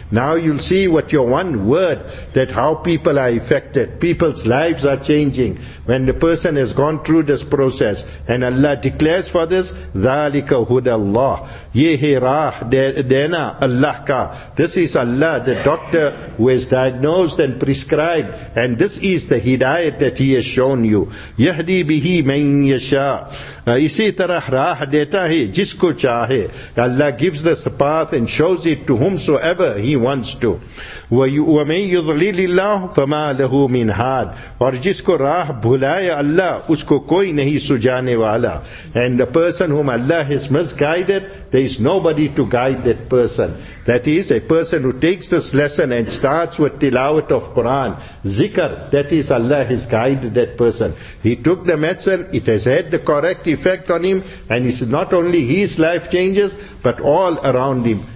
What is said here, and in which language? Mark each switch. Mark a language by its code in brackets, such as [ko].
[en] Now you'll see what your one word, that how people are affected, people's lives are changing when the person has gone through this process. And Allah declares for this, [ar] ذَلِكَ هُدَى اللَّهِ يَهِ رَاح دَيْنَا أَلَّهْكَ. [en] This is Allah, the doctor who has diagnosed and prescribed, and this is the hidayat that he has shown you. [ar] يَهْدِي بِهِ مَنْ يَشَاءُ, [ur] اسی طرح راہ دیتا ہے جس کو چاہے. [en] اللہ gives this path and shows it to whomsoever he wants to. [ar] وَمَنْ يُضْلِلِ اللَّهُ فَمَا لَهُ مِنْ هَاد, [ur] اور جس کو راہ بھلائے اللہ اس کو کوئی نہیں سجانے والا. [en] And the person whom Allah has misguided, there is nobody to guide that person. That is a person who takes this lesson and starts with tilawat of Quran, zikr, that is Allah has guided that person. He took the medicine, it has had the correct effect on him, and it's not only his life changes, but all around him.